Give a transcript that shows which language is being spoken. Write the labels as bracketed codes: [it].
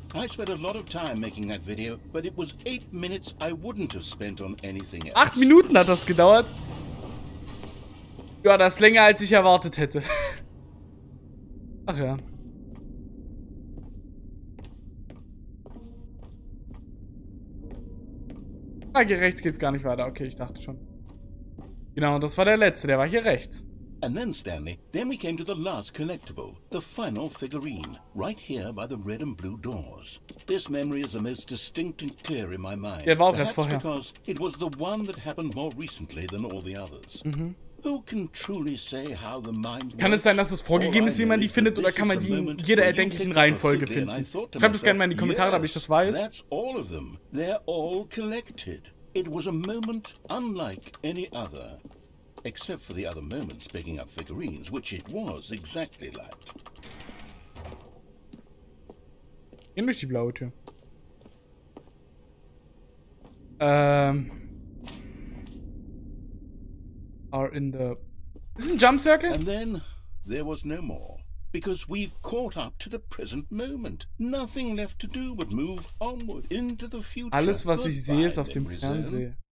[en] I spent a lot of time making that video, but it was 8 minutes I wouldn't have spent on anything else. [de] 8 Minuten hat das gedauert? Ja, das ist länger, als ich erwartet hätte. Ach ja. Ah, hier rechts geht's gar nicht weiter. Okay, ich dachte schon. Genau, das war der letzte, der war hier rechts. [en] And then Stanley, then we came to the last collectible, the final figurine, right here by the red and blue doors. This memory is the most distinct and clear in my mind. [de] Der war auch erst vorher. [en] Because it was the one that happened more recently than all the others. Mm-hmm. Who can truly say how the mind works? [de] Kann es sein, dass es vorgegeben ist, wie man die findet, oder kann man die in jeder erdenklichen Reihenfolge finden? Schreibt es gerne mal in die Kommentare, damit ich das weiß. [en] That's all of them. They're all collected. It was a moment unlike any other. Except for the other moments picking up figurines, which it was exactly like. [de] Gehen durch die blaue Tür. [en] Are in the... Is this a jump circle? And then there was no more. Because we've caught up to the present moment. Nothing left to do but move onward into the future. [de] Alles, was goodbye, ich sehe, ist auf dem Fernseher.